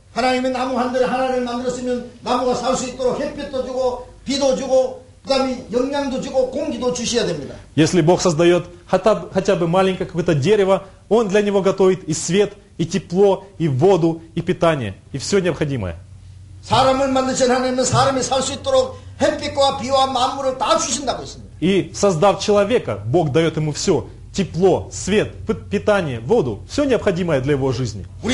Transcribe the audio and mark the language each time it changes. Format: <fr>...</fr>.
<ko>하나님이 나무 한 대를 하나님 만들었으면 나무가 살 수 있도록 햇빛도 주고 비도 주고 그다음에 영양도 주고 공기도 주셔야 됩니다.</ko> <ru>Если Бог создает хотя бы маленькое какое-то дерево, Он для него готовит и свет, и тепло, и воду, и питание, и все необходимое.</ru> <ko>사람을 만드신 하나님은 사람이 살 수 있도록 햇빛과 비와 만물을 다 주신다고 했습니다.</ko> <ru>И создав человека, Бог дает ему все. Тепло, свет, питание, воду, все необходимое для его жизни.</ru>